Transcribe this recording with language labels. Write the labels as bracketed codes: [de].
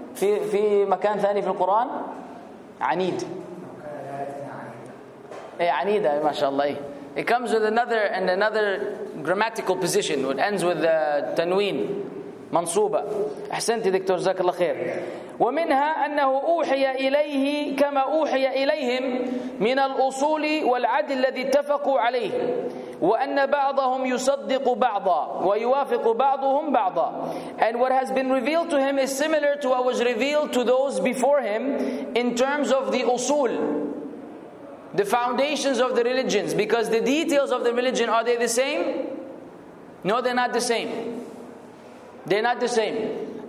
[ar] في مكان ثاني في القرآن؟ عنيد. [en] Hey, عنيدة, mashallah. It comes with another and another grammatical position. It ends with the تنوين. [ar] منصوبة. أحسنتي دكتور جزاك الله خير. ومنها أنه أوحي إليه كما أوحي إليهم من الأصول والعدل الذي اتفقوا عليه. وأن بعضهم يصدق بعضا ويوافق بعضهم بعضا. [en] And what has been revealed to him is similar to what was revealed to those before him in terms of the أصول. The foundations of the religions. Because the details of the religion, are they the same? No, they're not the same. They're not the same.